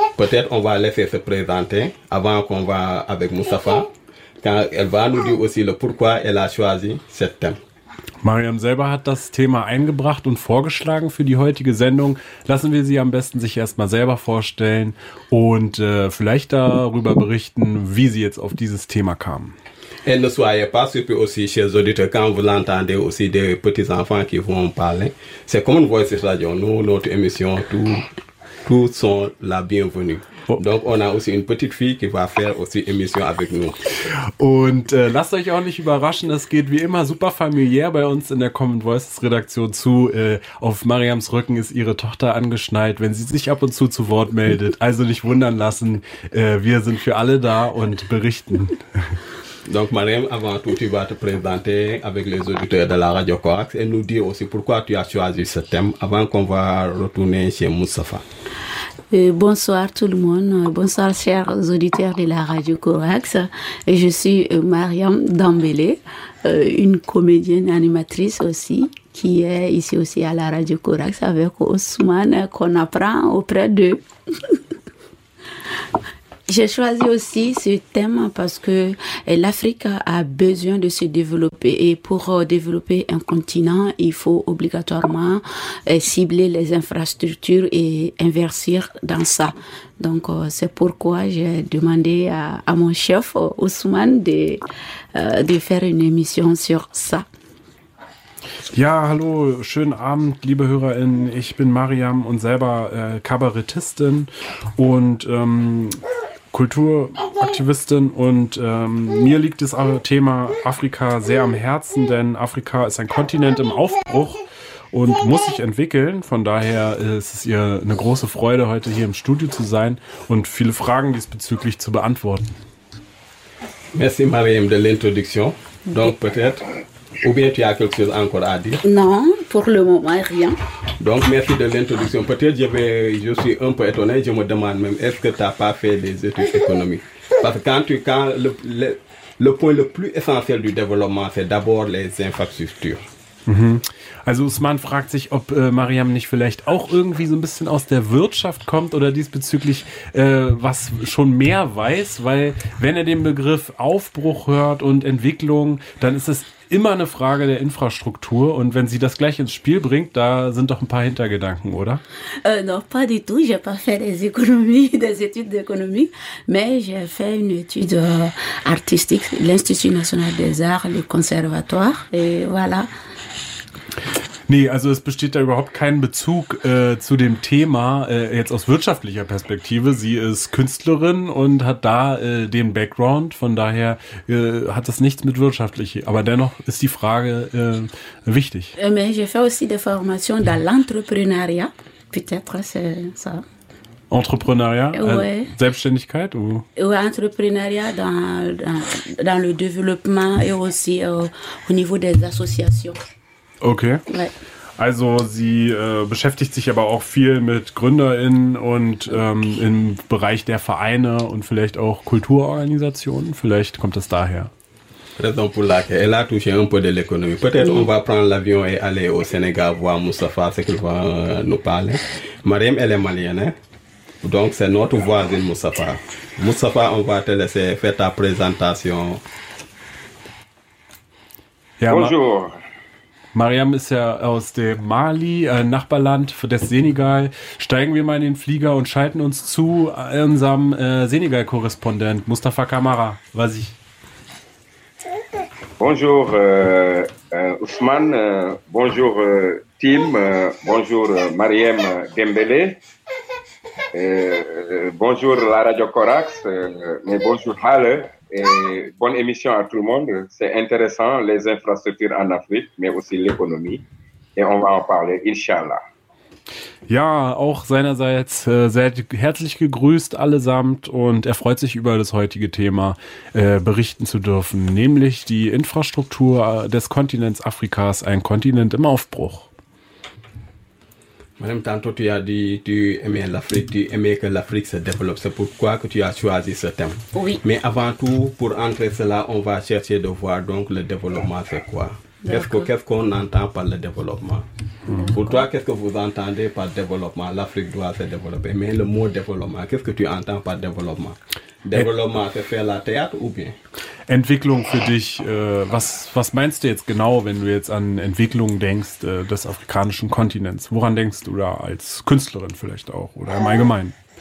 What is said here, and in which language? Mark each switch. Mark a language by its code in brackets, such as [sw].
[fr] Peut-être on va laisser se présenter avant qu'on va avec Moustapha, quand elle va nous dire aussi le pourquoi elle a choisi ce thème. [de] Mariam selber hat das Thema eingebracht und vorgeschlagen für die heutige Sendung. Lassen wir sie am besten sich erstmal selber vorstellen und vielleicht darüber berichten, wie sie jetzt auf dieses Thema kam. [fr] Et ne soyez pas surpris aussi, chers auditeurs, quand vous l'entendez aussi des petits-enfants qui vont parler. C'est comme une voix radio. Nous, notre émission, tous sont la bienvenue. Donc, on a aussi une petite fille qui va faire aussi émission avec nous. [de] Und lasst euch auch nicht überraschen, es geht wie immer super familiär bei uns in der Common Voices Redaktion zu. Auf Mariams Rücken ist ihre Tochter angeschnallt, wenn sie sich ab und zu Wort meldet. Also nicht wundern lassen, wir sind für alle da und berichten. [fr] Donc Mariam, avant tout, tu vas te présenter avec les auditeurs de la Radio Corax et nous dire aussi pourquoi tu as choisi ce thème avant qu'on va retourner chez Moustapha. Bonsoir tout le monde, bonsoir chers auditeurs de la Radio Corax. Je suis Mariam Dembélé, une comédienne animatrice aussi, qui est ici aussi à la Radio Corax avec Ousmane qu'on apprend auprès d'eux. J'ai choisi aussi ce thème parce que l'Afrique a besoin de se développer et pour développer un continent, il faut obligatoirement cibler les infrastructures et investir dans ça. Donc c'est pourquoi j'ai demandé à mon chef Ousmane de faire une émission sur ça. [de] Ja, hallo, schönen Abend, liebe HörerInnen. Ich bin Mariam und selber Kabarettistin und Kulturaktivistin und mir liegt das Thema Afrika sehr am Herzen, denn Afrika ist ein Kontinent im Aufbruch und muss sich entwickeln. Von daher ist es ihr eine große Freude, heute hier im Studio zu sein und viele Fragen diesbezüglich zu beantworten. [fr] Merci Mariam de l'introduction. Donc peut-être, ou bien tu as quelque chose encore à dire? Non, pour le moment, rien. Donc, merci de l'introduction. Peut-être je suis un peu étonné, je me demande même, est-ce que tu n'as pas fait des études économiques? Parce que quand le point le plus essentiel du développement, c'est d'abord les infrastructures. Mhm. [de] Also Ousmane fragt sich, ob Mariam nicht vielleicht auch irgendwie so ein bisschen aus der Wirtschaft kommt oder diesbezüglich was schon mehr weiß, weil wenn er den Begriff Aufbruch hört und Entwicklung, dann ist es immer eine Frage der Infrastruktur und wenn sie das gleich ins Spiel bringt, da sind doch ein paar Hintergedanken, oder? [fr] Non, pas du tout. J'ai pas fait des études d'économie, mais j'ai fait une étude artistique, l'Institut National des Arts, le Conservatoire, et voilà. [de] Nee, also es besteht da überhaupt kein Bezug zu dem Thema, jetzt aus wirtschaftlicher Perspektive. Sie ist Künstlerin und hat da den Background, von daher hat das nichts mit wirtschaftlichem. Aber dennoch ist die Frage wichtig. [fr] Mais je fais aussi des formations dans l'entrepreneuriat, peut-être c'est ça. Entrepreneuriat, ouais. [de] Selbstständigkeit? [fr] Ou? Ouais, entrepreneuriat dans le développement et aussi au niveau des associations. Okay. Ouais. [de] Also sie beschäftigt sich aber auch viel mit GründerInnen und im Bereich der Vereine und vielleicht auch Kulturorganisationen. Vielleicht kommt das daher. [fr] Raison pour laquelle elle a touché un peu de l'économie. Peut-être on va prendre l'avion et aller au Sénégal voir Moustapha, ce qu'il va nous parler. Mariam, elle est malienne, hein? Donc, c'est notre voisine, Moustapha. Moustapha, on va te laisser faire ta présentation. [de] Ja, bonjour. Mariam ist ja aus dem Mali, Nachbarland des Senegal. Steigen wir mal in den Flieger und schalten uns zu unserem Senegal-Korrespondent, Moustapha Camara. Was ich. [fr] Bonjour, Ousmane. Bonjour, Tim. Bonjour, Mariam Dembélé. Bonjour la Radio Corax, mais bonjour Halle et bonne émission à tout le monde. C'est intéressant, les infrastructures en Afrique, mais aussi l'économie. Et on va en parler, Inch'Allah. [de] Ja, auch seinerseits sehr herzlich gegrüßt allesamt und er freut sich über das heutige Thema berichten zu dürfen, nämlich die Infrastruktur des Kontinents Afrikas, ein Kontinent im Aufbruch. [fr] Madame, tantôt tu as dit tu aimais l'Afrique, tu aimais que l'Afrique se développe. C'est pourquoi que tu as choisi ce thème. Oui. Mais avant tout, pour entrer cela, on va chercher de voir donc le développement c'est quoi. Qu'est-ce qu'on entend par le développement? D'accord. Pour toi, qu'est-ce que vous entendez par développement? L'Afrique doit se développer. Mais le mot développement, qu'est-ce que tu entends par développement? Développement, c'est faire la théâtre ou bien? [de] Entwicklung für dich, was meinst du jetzt genau, wenn du jetzt an Entwicklung denkst des afrikanischen Kontinents? Woran denkst du da als Künstlerin vielleicht auch oder im Allgemeinen?